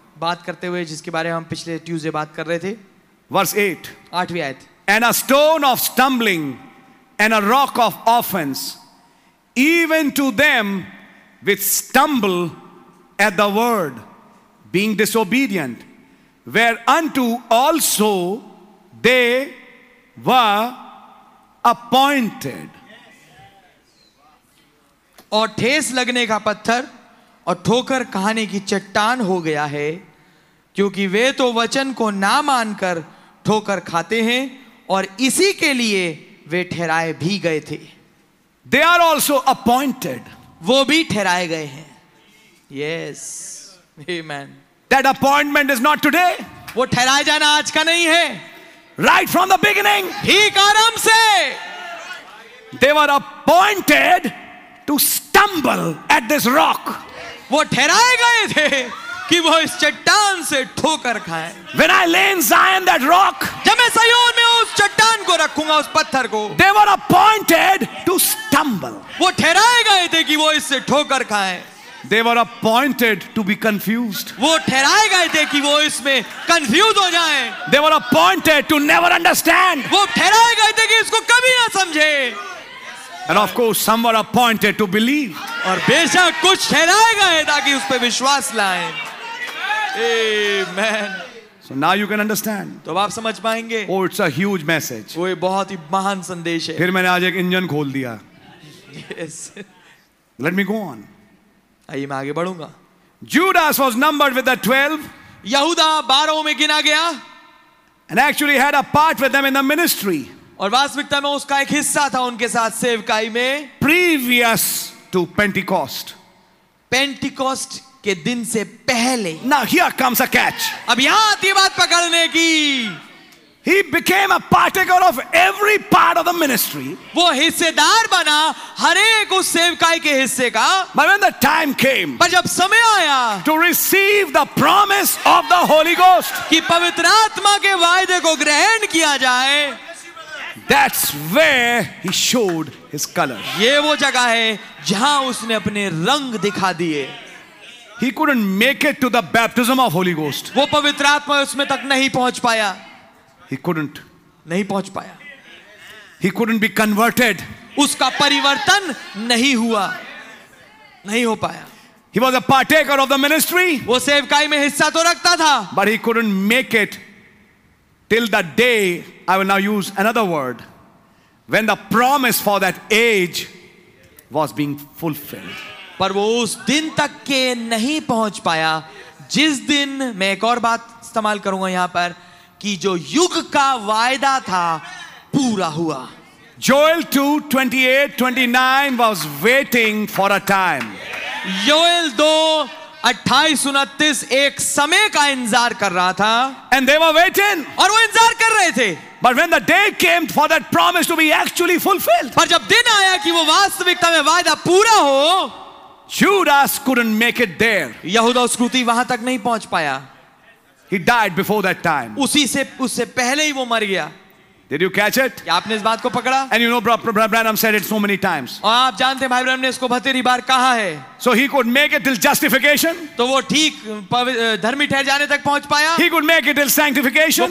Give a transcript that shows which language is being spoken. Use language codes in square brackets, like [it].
[hi] बात करते हुए जिसके बारे में हम पिछले ट्यूसडे बात कर रहे थे. [en] Verse 8. [hi] आठवीं आयत. [en] And a stone of stumbling and a rock of offense, even to them which stumble at the word, being disobedient, whereunto also they were appointed. [hi] और ठेस लगने का पत्थर और ठोकर खाने की चट्टान हो गया है क्योंकि वे तो वचन को ना मानकर ठोकर खाते हैं और इसी के लिए वे ठहराए भी गए थे. [en] They are also appointed. [hi] वो भी ठहराए गए हैं. [en] Yes. [hi] Amen. [en] That appointment is not today. [hi] वो ठहराए जाना आज का नहीं है. [en] right from the beginning [hi] ठीक आरंभ से [en] They were appointed to stumble at this rock. [hi] वो ठहराए गए थे कि वो इस चट्टान से ठोकर खाए. [en] When I lay in Zion that rock, [hi] जब मैं सायोन में उस चट्टान को रखूंगा, उस पत्थर को, [en] they were appointed to stumble. [hi] वो ठहराए गए थे कि वो इससे ठोकर खाए. [en] They were appointed to be confused. [hi] वो ठहराए गए थे कि वो इसमें confused हो जाएं. [en] They were appointed to never understand. [hi] वो ठहराए गए थे कि इसको कभी ना समझे. [en] And of course, some were appointed to believe. [hi] और बेशक कुछ ठहराए गए ताकि उस पे विश्वास लाएं. [en] Amen. So now you can understand. [hi] तो आप समझ पाएंगे. [en] Oh, it's a huge message. [hi] वो एक बहुत ही महान संदेश है. फिर मैंने आज एक इंजन खोल दिया. [en] Yes. Let me go on. [hi] आइए मैं आगे बढ़ूंगा. [en] Judas was numbered with the 12. [hi] यहूदा बारह में गिना गया. [en] And actually had a part with them in the ministry. [hi] और वास्तविकता में उसका एक हिस्सा था उनके साथ सेवकाई में. [en] Previous to Pentecost. [hi] Pentecost के दिन से पहले. [en] Now here comes a catch. [hi] अब यहां आती है बात पकड़ने की. [en] He became a partaker of every part of the ministry. [hi] वो हिस्सेदार बना हर एक उस सेवकाई के हिस्से का. [en] But when the time came, [hi] पर जब समय आया, [en] to receive the promise of the Holy Ghost, [hi] कि पवित्र आत्मा के वायदे को ग्रहण किया जाए, [en] that's where he showed his color. [hi] ये वो जगह है जहां उसने अपने रंग दिखा दिए. [en] He couldn't make it to the baptism of Holy Ghost. [hi] वो पवित्र आत्मा उसमें तक नहीं पहुंच पाया. [en] He couldn't. [hi] नहीं पहुंच पाया. [en] He couldn't be converted. [hi] उसका परिवर्तन नहीं हुआ. नहीं हो पाया. [en] He was a partaker of the ministry. [hi] वो सेवकाई में हिस्सा तो रखता था. [en] But he couldn't make it till that day. I will now use another word. When the promise for that age was being fulfilled. [hi] पर वो उस दिन तक के नहीं पहुंच पाया जिस दिन मैं एक और बात इस्तेमाल करूंगा यहां पर. कि जो युग का वायदा था पूरा हुआ. [en] Joel 2:28-29 was waiting for a time. [hi] Joel 2:28-29 एक समय का इंतजार कर रहा था. [en] And they were waiting. [hi] और वो इंतजार कर रहे थे. [en] But when the day came for that promise to be actually fulfilled. [hi] पर जब दिन आया कि वो वास्तविकता में वायदा पूरा हो. [en] Judas couldn't make it there. [hi] यहूदा स्क्रूति वहां तक नहीं पहुंच पाया. [en] He died before that time. [hi] उससे पहले ही वो मर गया. [en] Did you catch it? [hi] क्या आपने इस बात को पकड़ा? [en] And you know, Branham said it so many times. [hi] और आप जानते हैं भाई ब्रैनम ने इसको बहुतेरी बार कहा है. [en] So he could make it till justification. [hi] तो वो ठीक धर्मी ठहर जाने तक पहुंच पाया. [en] He could make it till sanctification.